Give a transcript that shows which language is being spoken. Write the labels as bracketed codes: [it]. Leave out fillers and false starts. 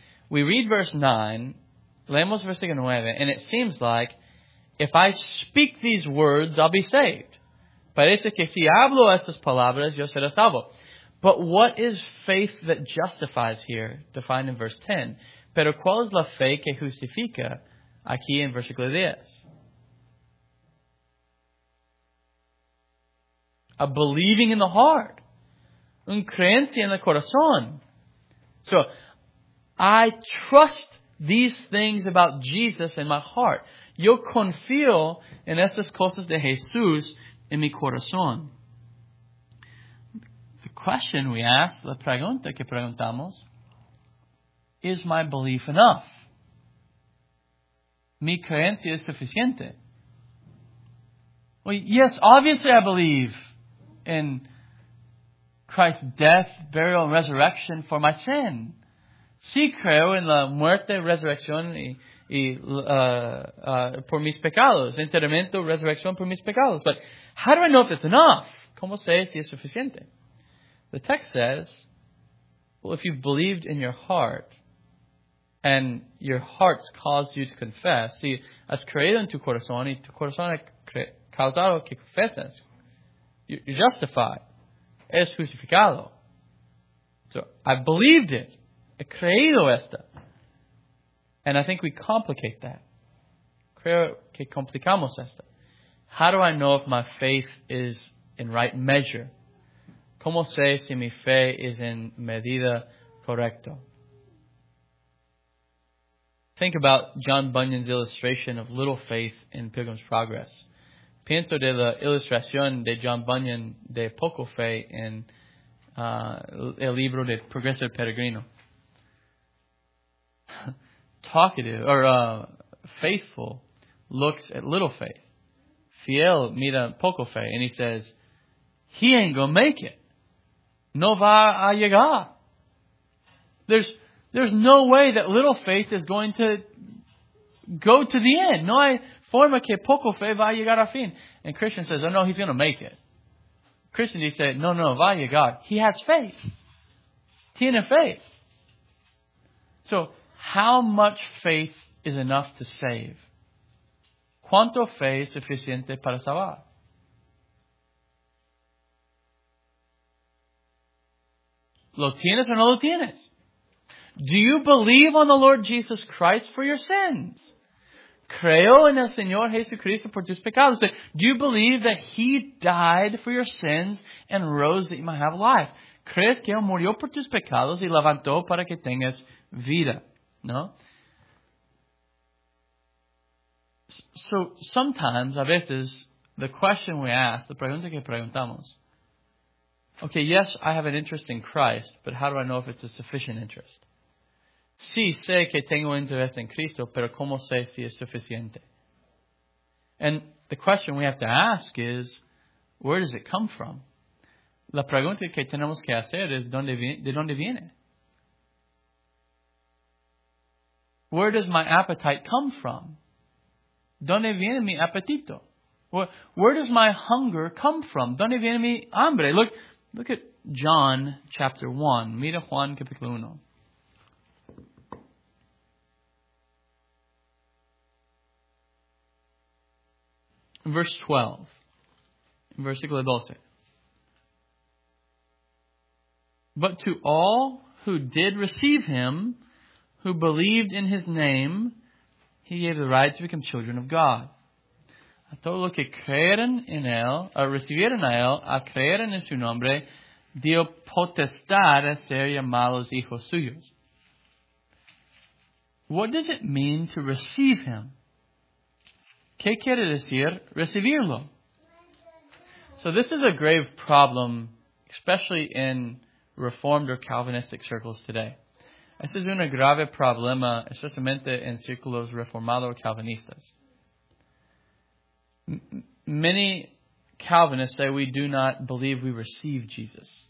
[en] We read verse 9, [es] leemos versículo 9, [en] and it seems like, if I speak these words, I'll be saved. [es] Parece que si hablo estas palabras, yo seré salvo. [en] But what is faith that justifies here, defined in verse 10? [es] Pero ¿cuál es la fe que justifica aquí en versículo 10? [en] A believing in the heart. [es] Un creencia en el corazón. [en] So, I trust these things about Jesus in my heart. [es] Yo confío en estas cosas de Jesús en mi corazón. [en] The question we ask, [es] la pregunta que preguntamos, [en] is my belief enough? [es] ¿Mi creencia es suficiente? [en] Well, yes, obviously I believe in Christ's death, burial, and resurrection for my sin. [es] Sí creo en la muerte, resurrección por mis pecados. Enterramiento, resurrección por mis pecados. [en] But how do I know if it's enough? [es] ¿Cómo sé si es suficiente? [en] The text says, well, if you've believed in your heart, and your heart's caused you to confess, [es] si has creído en tu corazón y tu corazón ha causado que confieses, [en] you're justified. [es] Es justificado. [en] So, I believed it. [es] He creído esto. [en] And I think we complicate that. [es] Creo que complicamos esto. [en] How do I know if my faith is in right measure? [es] ¿Cómo sé si mi fe [en] is in [es] medida correcta? [en] Think about John Bunyan's illustration of little faith in Pilgrim's Progress. [es] Pienso de la ilustración de John Bunyan de poco fe en el libro de Progreso Peregrino. [en] Talkative or faithful looks at little faith. [es] Fiel mira poco fe [en] and he says, he ain't gonna make it. [es] No va a llegar. [en] There's no way that little faith is going to go to the end. [es] No hay forma que poco fe va a llegar a fin. [en] And Christian says, oh no, he's gonna make it. Christian, he said, [es] no, va a llegar. [en] He has faith. Tiene faith. So, how much faith is enough to save? [es] ¿Cuánto fe es suficiente para salvar? ¿Lo tienes o no lo tienes? [en] Do you believe on the Lord Jesus Christ for your sins? [es] ¿Creo en el Señor Jesucristo por tus pecados? [en] So, do you believe that He died for your sins and rose that you might have life? [es] ¿Crees que Él murió por tus pecados y levantó para que tengas vida? No? [en] So sometimes, [es] a veces, [en] the question we ask, the [es] pregunta que preguntamos, [en] okay, yes, I have an interest in Christ, but how do I know if it's a sufficient interest? [es] Sí, sé que tengo interés en Cristo, pero ¿cómo sé si es suficiente? [en] And the question we have to ask is, where does it come from? [es] La pregunta que tenemos que hacer es, ¿de dónde viene? [en] Where does my appetite come from? [es] ¿Dónde viene mi apetito? [en] Where does my hunger come from? [es] ¿Dónde viene mi hambre? [en] Look at John chapter 1. [es] Mira Juan capítulo 1. [en] Verse 12. But to all who did receive him, who believed in his name, he gave the right to become children of God. [es] A todo lo que creyeron en él, a recibieron a él, a creer en su nombre, dio potestad a ser llamados hijos suyos. [en] What does it mean to receive him? [es] ¿Qué quiere decir recibirlo? [en] So this is a grave problem, especially in Reformed or Calvinistic circles today. [es] Este es un grave problema, especialmente en círculos reformados calvinistas. [en] Many Calvinists say we do not believe we receive Jesus.